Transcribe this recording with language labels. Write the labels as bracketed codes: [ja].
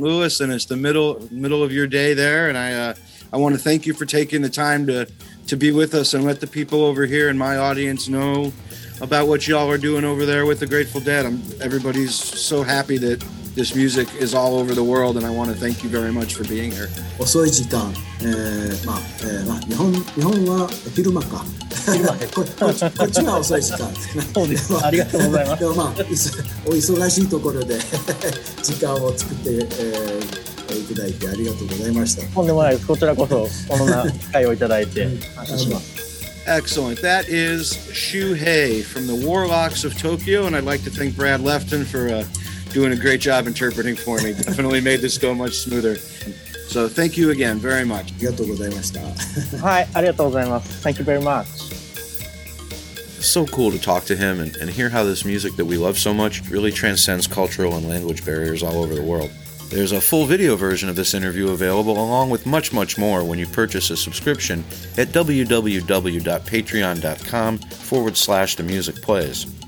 [en] Louis, and it's the middle of your day there. And I want to thank you for taking the time to be with us and let the people over here in my audience know about what y'all are doing over there with the Grateful Dead. Everybody's so happy that this music is all over the world, and I want to thank you very much for being here. [ja] 遅い時間、まあ、日本は昼間か。こっちは遅い時間。ありがとうございます。でもまあ、お忙しいところで時間を作って、いただいてありがとうございました。とんでもないです。こちらこそ、このような機会をいただいて。 [en] Excellent. That is Shuhei from the Warlocks of Tokyo, and I'd like to thank Brad Lefton for doing a great job interpreting for me. Definitely made this go much smoother. So thank you again very much. [ja] ありがとうございました。はい、ありがとうございます。 [en] Thank you very much. So cool to talk to him and hear how this music that we love so much really transcends cultural and language barriers all over the world. There's a full video version of this interview available along with much, much more when you purchase a subscription at www.patreon.com/themusicplays.